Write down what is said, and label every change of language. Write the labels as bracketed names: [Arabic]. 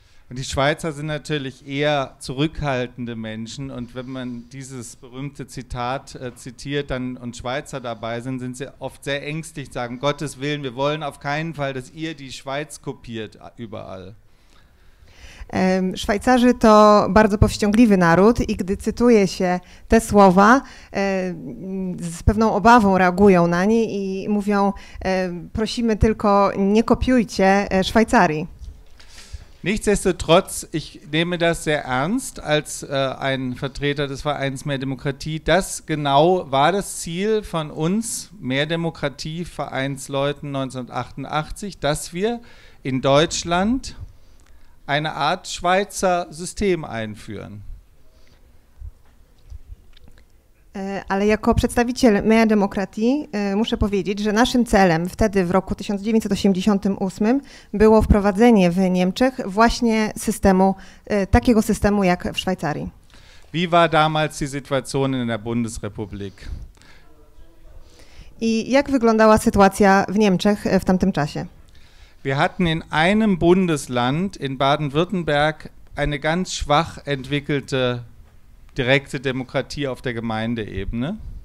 [German] Und die Schweizer sind natürlich eher zurückhaltende Menschen, und wenn man dieses berühmte Zitat zitiert, dann, und Schweizer dabei sind, sind sie oft sehr ängstlich, sagen, Gottes Willen, wir wollen auf keinen Fall, dass ihr die Schweiz kopiert überall. [Polish] Szwajcarzy to bardzo powściągliwy naród i gdy cytuje się te słowa, z pewną obawą reagują na nie i mówią, prosimy tylko nie kopiujcie Szwajcarii. [German] Nichtsdestotrotz, ich nehme das sehr ernst als ein Vertreter des Vereins Mehr Demokratie. Das genau war das Ziel von uns, Mehr Demokratie Vereinsleuten 1988, dass wir in Deutschland eine Art Schweizer System einführen. [Polish] Ale jako przedstawiciel Mea Demokratii muszę powiedzieć, że naszym celem wtedy w roku 1988 było wprowadzenie w Niemczech właśnie systemu, takiego systemu jak w Szwajcarii. [German] Wie war damals die Situation in der Bundesrepublik? [Polish] I jak wyglądała sytuacja w Niemczech w tamtym czasie? [German] Wir hatten in einem Bundesland, in Baden-Württemberg, eine ganz schwach entwickelte direkte Demokratie auf der Gemeindeebene.